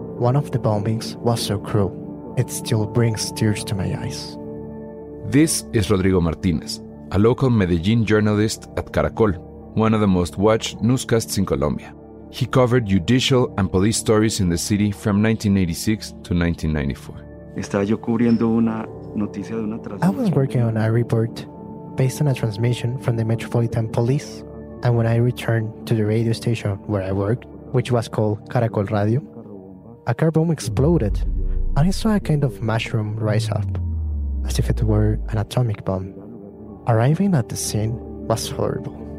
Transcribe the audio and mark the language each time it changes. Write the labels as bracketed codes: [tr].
[en] One of the bombings was so cruel, it still brings tears to my eyes. This is Rodrigo Martinez, a local Medellin journalist at Caracol, one of the most watched newscasts in Colombia. He covered judicial and police stories in the city from 1986 to 1994. [es] Estaba yo cubriendo una noticia de una transmisión. [en] I was working on a report based on a transmission from the Metropolitan Police, and when I returned to the radio station where I worked, which was called Caracol Radio, a car bomb exploded, and I saw a kind of mushroom rise up, as if it were an atomic bomb. Arriving at the scene was horrible.